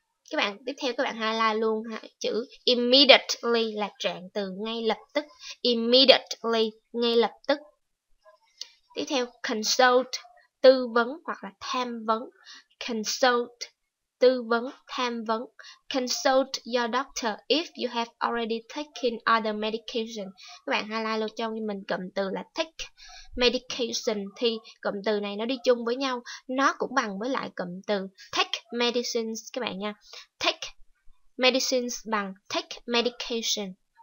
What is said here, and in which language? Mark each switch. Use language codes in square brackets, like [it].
[vi] Các bạn tiếp theo các bạn highlight luôn ha. Chữ immediately là trạng từ ngay lập tức. Immediately, ngay lập tức. Tiếp theo consult, tư vấn hoặc là tham vấn. Consult, tư vấn, tham vấn. [en] Consult your doctor if you have already taken other medication. [vi] Các bạn highlight luôn cho mình cụm từ là take medication. Thì cụm từ này nó đi chung với nhau, nó cũng bằng với lại cụm từ take medicines các bạn nha. Take medicines bằng take medication.